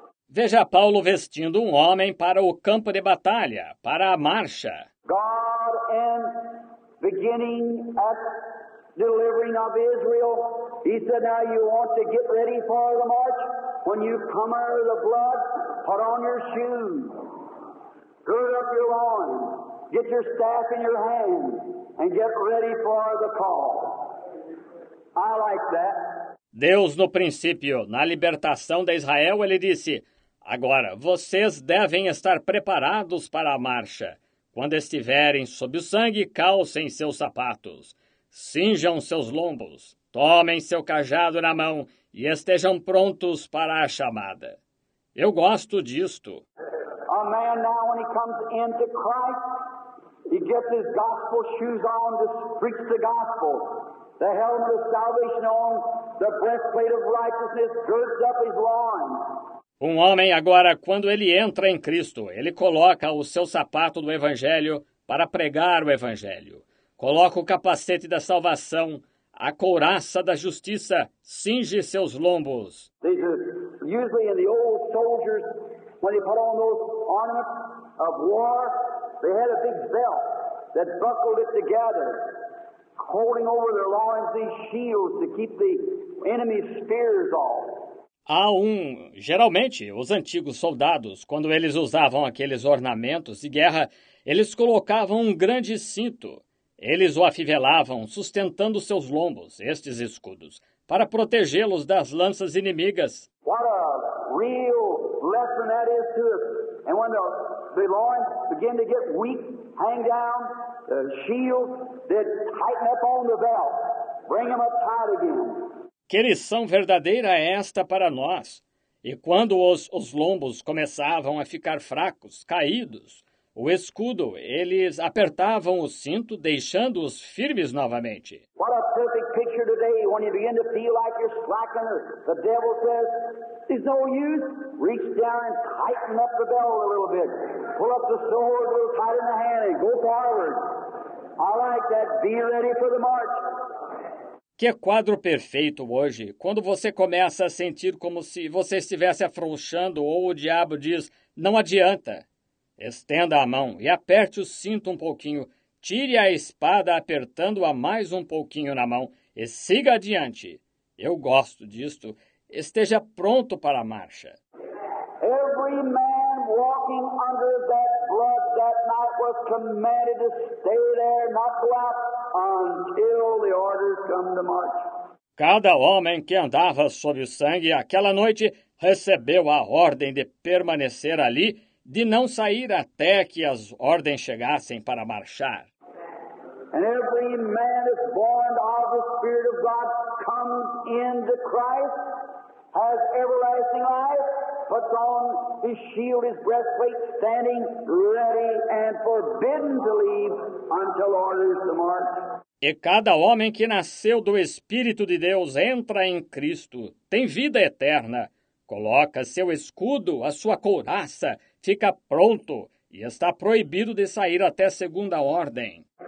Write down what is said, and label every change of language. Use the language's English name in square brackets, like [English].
[Portuguese] Veja Paulo vestindo um homem para o campo de batalha, para a marcha. [English] God and beginning at delivering of Israel. He said, now you want to get ready for the march. When you come out of the blood, put on your shoes. Gird up your loins. Get your staff in your hand. And get ready for the call. I like that. [Portuguese] Deus, no princípio, na libertação de Israel, ele disse, agora, vocês devem estar preparados para a marcha. Quando estiverem sob o sangue, calcem seus sapatos. Cinjam seus lombos, tomem seu cajado na mão e estejam prontos para a chamada. Eu gosto disto. [English] A man now when he comes into Christ, he gets his gospel shoes on to preach the gospel. The helmet of salvation on, the breastplate of righteousness girds up his loins. [Portuguese] Um homem agora, quando ele entra em Cristo, ele coloca o seu sapato do Evangelho para pregar o Evangelho. Coloca o capacete da salvação, a couraça da justiça, cinge seus lombos. [English] Usually in the old soldiers, when they put on those ornaments of war, they had a big belt that buckled it together, holding over their loins these shields to keep the enemy's spears off. [Portuguese] Há geralmente, os antigos soldados, quando eles usavam aqueles ornamentos de guerra, eles colocavam um grande cinto. Eles o afivelavam, sustentando seus lombos, estes escudos, para protegê-los das lanças inimigas. [English] What a real lesson that is to us. And when the loins begin to get weak, hang down, the shield, they tighten up on the belt, bring them up tight again. [Portuguese] Que lição verdadeira é esta para nós? E quando os lombos começavam a ficar fracos, caídos, o escudo, eles apertavam o cinto, deixando-os firmes novamente. [English] What a perfect picture today when you begin to feel like you're slacking. The devil says, it's no use. Reach down and tighten up the belt a little bit. Pull up the sword a little tight in the hand and go forward. I like that. Be ready for the march. [Portuguese] Que quadro perfeito hoje, quando você começa a sentir como se você estivesse afrouxando ou o diabo diz, não adianta. Estenda a mão e aperte o cinto um pouquinho. Tire a espada apertando-a mais um pouquinho na mão e siga adiante. Eu gosto disto. Esteja pronto para a marcha. [English] Every man walking under that blood was commanded to stay there, not go out, until the orders come to march. [Portuguese] Cada homem que andava sob o sangue aquela noite recebeu a ordem de permanecer ali, de não sair até que as ordens chegassem para marchar. [English] And every man is born of the Spirit of God, comes into Christ, has everlasting life, puts on his shield, his breastplate, standing ready and forbidden to leave until orders to march. [Portuguese] E cada homem que nasceu do Espírito de Deus entra em Cristo, tem vida eterna, coloca seu escudo, a sua couraça, fica pronto e está proibido de sair até segunda ordem.